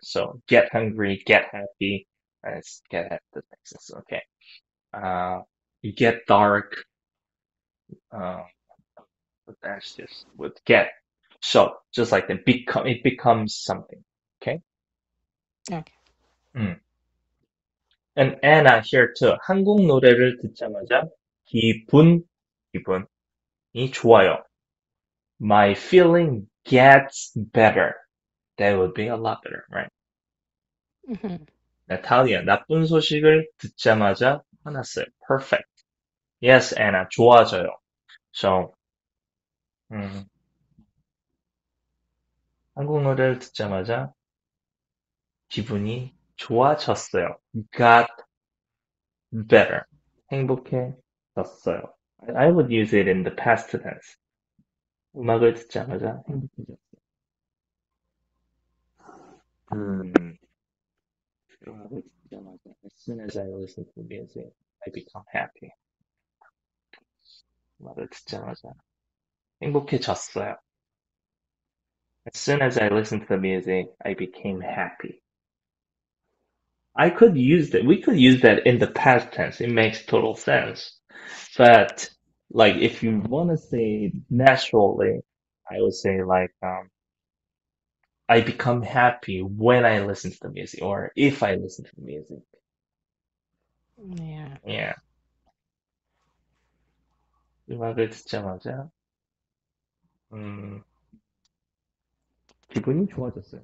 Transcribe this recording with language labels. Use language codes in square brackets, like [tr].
[en] So get hungry, get happy. Let's get at the nexus, okay. You get dark. That's just with get. So just like the become, it becomes something, okay. Okay. And Anna here too. [ko] 한국 노래를 듣자마자 기분이 좋아요. [en] My feeling gets better. That would be a lot better, right? [ko] Natalia, 나쁜 소식을 듣자마자 화났어요. [en] Perfect. Yes, Anna, [ko] 좋아져요. So, 한국 노래를 듣자마자 기분이 좋아졌어요. [en] Got better. [ko] 행복해졌어요. [en] I would use it in the past tense. [ko] 음악을 듣자마자 행복해졌어요. [en] As soon as I listen to music, I become happy. [ko] 듣자마자 행복해졌어요. [en] As soon as I listen to the music, I became happy. I could use that. We could use that in the past tense. It makes total sense. But like, if you want to say naturally, I would say like, I become happy when I listen to the music, or if I listen to the music. Yeah. Yeah. [ko] 음악을 듣자마자, 기분이 좋아졌어요.